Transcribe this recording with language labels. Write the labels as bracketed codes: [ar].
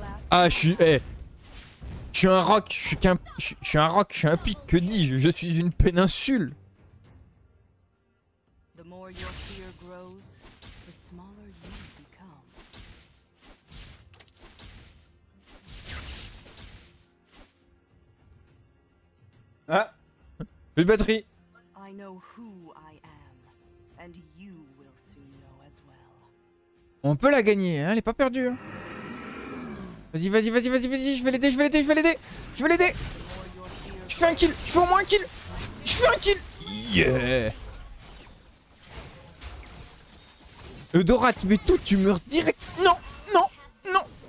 [fr] Ah, je suis un roc, je suis un pic, que dis-je? Je suis une péninsule. [en] The more your fear grows, the smaller you become. [fr] Ah, plus de batterie. [en] I know who I am, and you will soon know as well. [fr] On peut la gagner, hein, elle est pas perdue. Hein. Vas-y, vas-y, vas-y, vas-y, vas-y, je vais l'aider, je vais l'aider, je vais l'aider. Je vais l'aider. Je fais un kill, je fais au moins un kill. Je fais un kill. [en] Yeah. [fr] Eudorat, mais toi, tu meurs direct. Non, non, non.